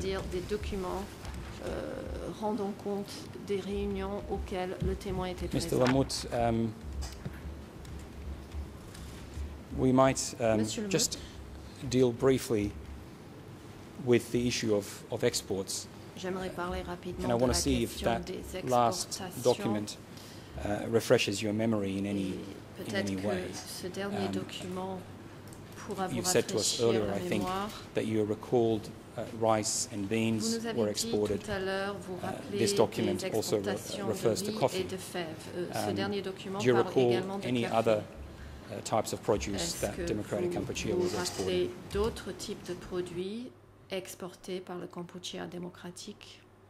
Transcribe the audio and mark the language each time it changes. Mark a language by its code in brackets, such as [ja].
[fr] C'est-à-dire des documents rendant compte des réunions auxquelles le témoin était présent. [en] Mr. Lamout, we might just deal briefly with the issue of exports. [fr] J'aimerais parler rapidement [en] and I want to see if that last document refreshes your memory in any way. [fr] Ce dernier document [en] you've said to us earlier, I think, that you recalled rice and beans were exported. This document also refers to coffee. Do you recall any other types of produce that Democratic Cambodia was exporting? [fr] D'autres types de produits exportés par le Cambodia démocratique?